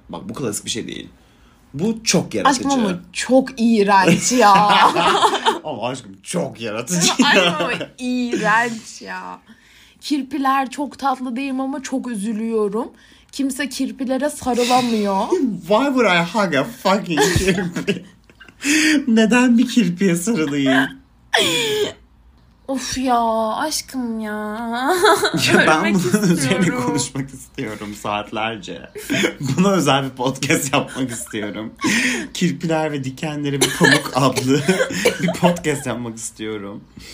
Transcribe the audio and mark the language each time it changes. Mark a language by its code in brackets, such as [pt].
[tr] Bak bu klasik bir şey değil. Bu çok yaratıcı. Aşkım ama çok iğrenç ya. Ama aşkım çok yaratıcı. Aşkım ama iğrenç ya. Kirpiler çok tatlı değilim ama çok üzülüyorum. Kimse kirpilere sarılamıyor. [en] Why would I hug a fucking kirpi? [tr] Neden bir kirpiye sarılayım? Of ya aşkım ya. Ya ben bunun üzerine konuşmak istiyorum saatlerce. Buna özel bir podcast yapmak istiyorum. Kirpiler ve dikenleri bir pamuk adlı bir podcast yapmak istiyorum.